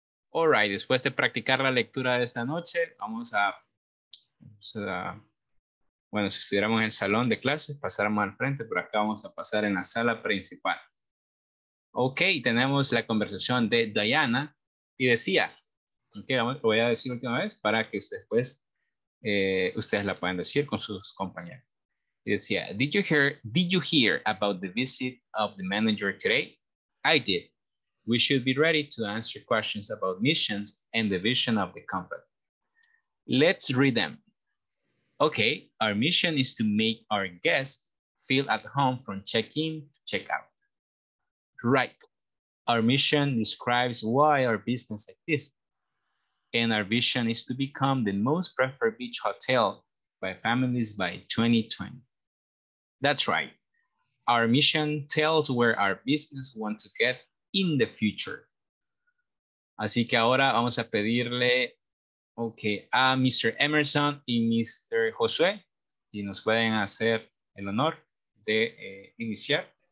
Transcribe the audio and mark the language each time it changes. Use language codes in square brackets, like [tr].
[en] All right, [es] después de practicar la lectura de esta noche, vamos a, si estuviéramos en el salón de clases, pasáramos al frente, pero acá vamos a pasar en la sala principal. Ok, tenemos la conversación de Diana y decía, okay, voy a decir última vez para que ustedes, pues, ustedes la puedan decir con sus compañeros. Y decía, [en] did you hear about the visit of the manager today? I did. We should be ready to answer questions about missions and the vision of the company. Let's read them. Okay, our mission is to make our guests feel at home from check-in to check-out. Right, our mission describes why our business exists. And our vision is to become the most preferred beach hotel by families by 2020. That's right, our mission tells where our business wants to get in the future. [es] Así que ahora vamos a pedirle, okay, a Mr. Emerson y Mr. Josué, si nos pueden hacer el honor de iniciar.